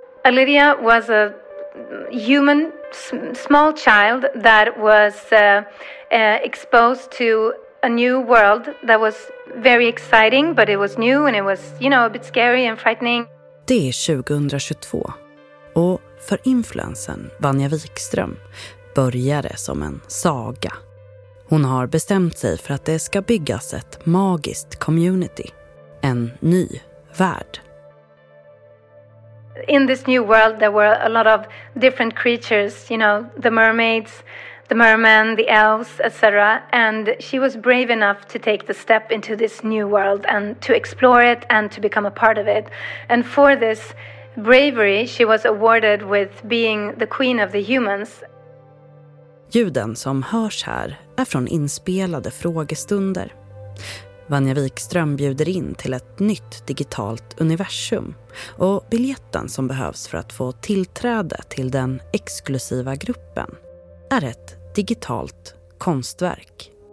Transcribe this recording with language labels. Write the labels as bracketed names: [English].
[English] Lydia was a human small child that was exposed to a new world that was very exciting, but it was new and it was, you know, a bit scary and frightening. [Swedish] Det är 2022 och för influensen Vanja Wikström började som en saga. Hon har bestämt sig för att det ska byggas ett magiskt community, en ny värld. [English] In this new world there were a lot of different creatures, you know, the mermaids, the mermen, the elves, etc. And she was brave enough to take the step into this new world and to explore it and to become a part of it. And for this bravery she was awarded with being the queen of the humans. [Swedish] Ljuden som hörs här är från inspelade frågestunder. Vanja Wikström bjuder in till ett nytt digitalt universum och biljetten som behövs för att få tillträde till den exklusiva gruppen är ett digitalt konstverk.